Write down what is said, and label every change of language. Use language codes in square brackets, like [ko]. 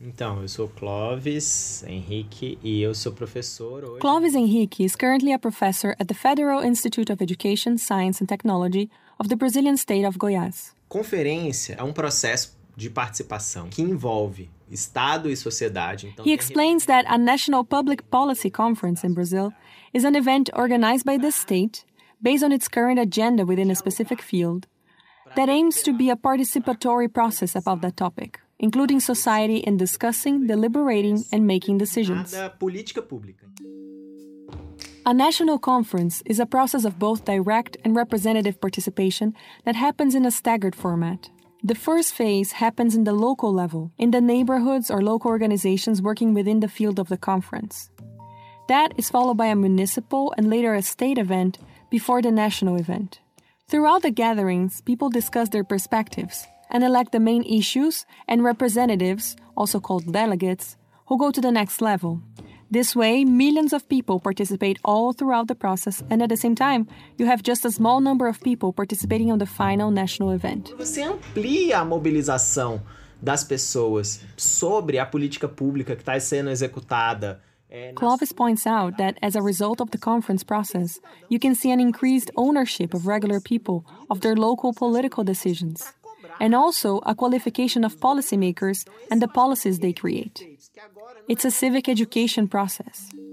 [pt] Então, eu sou Clóvis Henrique e eu sou professor hoje. [en] Clóvis Henrique is currently a professor at the Federal Institute of Education, Science and Technology of the Brazilian state of Goiás. [pt] Conferência é processo de participação que envolve Estado e sociedade. Então, [en] he explains that a national public policy conference in Brazil is an event organized by the state based on its current agenda within a specific field that aims to be a participatory process about that topic, including society in discussing, deliberating, and making decisions. A national conference is a process of both direct and representative participation that happens in a staggered format. The first phase happens in the local level, in the neighborhoods or local organizations working within the field of the conference. That is followed by a municipal and later a state event before the national event. Throughout the gatherings, people discuss their perspectives and elect the main issues and representatives, also called delegates, who go to the next level. This way, millions of people participate all throughout the process, and at the same time, you have just a small number of people participating on the final national event. [pt] Você amplia a mobilização das pessoas sobre a política pública que está sendo executada. [en] Clóvis points out that as a result of the conference process, you can see an increased ownership of regular people of their local political decisions, and also a qualification of policymakers and the policies they create. It's a civic education process.